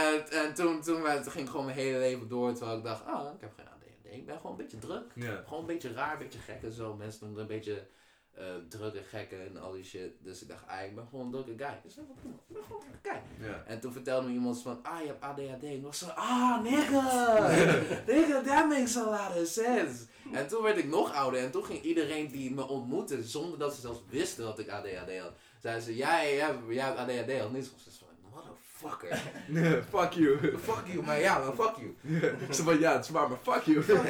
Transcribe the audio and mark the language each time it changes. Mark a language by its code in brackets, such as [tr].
[nl] en toen ging ik gewoon mijn hele leven door, terwijl ik dacht, ah, ik heb geen ADHD. Ik ben gewoon een beetje druk. [en] Yeah. [nl] Gewoon een beetje raar, een beetje gek en zo. Mensen noemen een beetje drukke gekken en al die shit. Dus ik dacht, ik ben gewoon een drukke guy. Dus ik ben gewoon een guy. [en] Yeah. [nl] En toen vertelde me iemand van, je hebt ADHD. En was zo, nigga. [en] Nigga, that makes a lot of sense. [nl] En toen werd ik nog ouder. En toen ging iedereen die me ontmoette, zonder dat ze zelfs wisten dat ik ADHD had, zeiden ze, jij hebt ADHD. En toen was ik van, wow. [en] motherfucker. Fuck you. Fuck you, [nl] maar ja, maar [en] fuck you. [nl] Ze van, ja, het is waar, maar fuck you.